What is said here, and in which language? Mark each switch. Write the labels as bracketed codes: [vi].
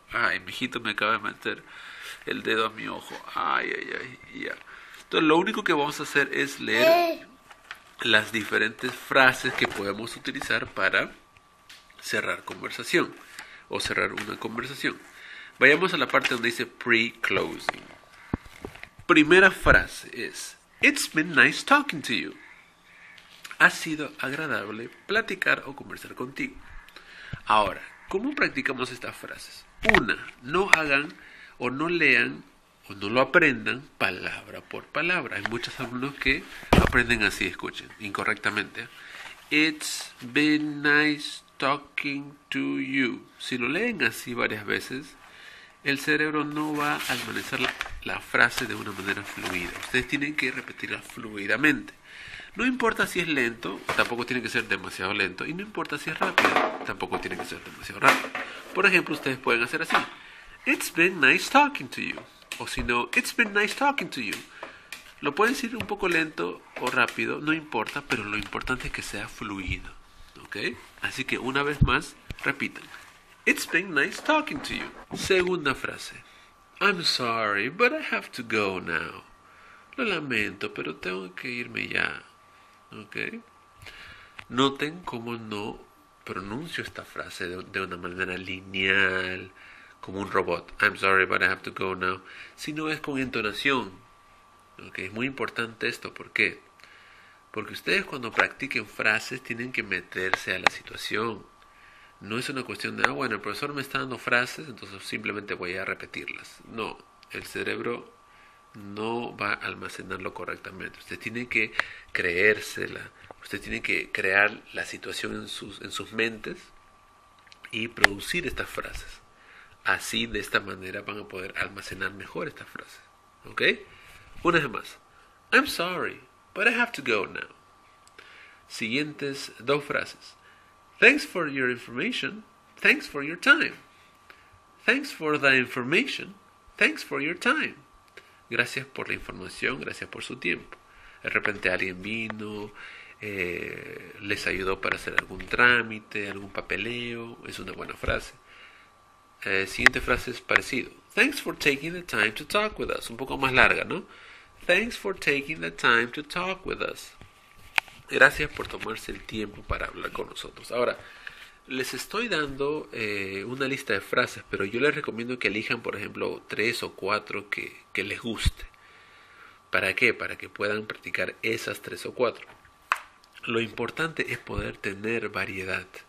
[es] Ay, mijito, me acaba de meter el dedo a mi ojo. Ay, ay, ay, ya. Entonces, lo único que vamos a hacer es leer las diferentes frases que podemos utilizar para cerrar conversación o cerrar una conversación. Vayamos a la parte donde dice pre-closing. Primera frase es: [en] It's been nice talking to you. [es] Ha sido agradable platicar o conversar contigo. Ahora, ¿cómo practicamos estas frases? Una, no hagan o no lean o no lo aprendan palabra por palabra. Hay muchos alumnos que aprenden así, escuchen, incorrectamente. [en] It's been nice talking to you. [es] Si lo leen así varias veces, el cerebro no va a armonizar la frase de una manera fluida. Ustedes tienen que repetirla fluidamente. No importa si es lento, tampoco tiene que ser demasiado lento. Y no importa si es rápido, tampoco tiene que ser demasiado rápido. Por ejemplo, ustedes pueden hacer así. [en] It's been nice talking to you. [es] O si no, [en] it's been nice talking to you. [es] Lo pueden decir un poco lento o rápido, no importa, pero lo importante es que sea fluido. ¿Okay? Así que una vez más, repitan. [en] It's been nice talking to you. [es] Segunda frase. [en] I'm sorry, but I have to go now. [es] Lo lamento, pero tengo que irme ya. Okay. Noten cómo no pronuncio esta frase de una manera lineal, como un robot. [en] I'm sorry, but I have to go now. [es] Sino es con entonación. Okay. Es muy importante esto. ¿Por qué? Porque ustedes cuando practiquen frases tienen que meterse a la situación. No es una cuestión de, bueno, el profesor me está dando frases, entonces simplemente voy a repetirlas. No, el cerebro no va a almacenarlo correctamente. Usted tiene que creérsela. Usted tiene que crear la situación en sus mentes y producir estas frases. Así, de esta manera, van a poder almacenar mejor estas frases. ¿Ok? Una vez más. [en] I'm sorry, but I have to go now. [es] Siguientes dos frases. [en] Thanks for your information. Thanks for your time. Thanks for the information. Thanks for your time. [es] Gracias por la información, gracias por su tiempo. De repente alguien vino, les ayudó para hacer algún trámite, algún papeleo. Es una buena frase. Siguiente frase es parecido. [en] Thanks for taking the time to talk with us. [es] Un poco más larga, ¿no? [en] Thanks for taking the time to talk with us. [es] Gracias por tomarse el tiempo para hablar con nosotros. Ahora, les estoy dando una lista de frases, pero yo les recomiendo que elijan, por ejemplo, tres o cuatro que les guste. ¿Para qué? Para que puedan practicar esas tres o cuatro. Lo importante es poder tener variedad.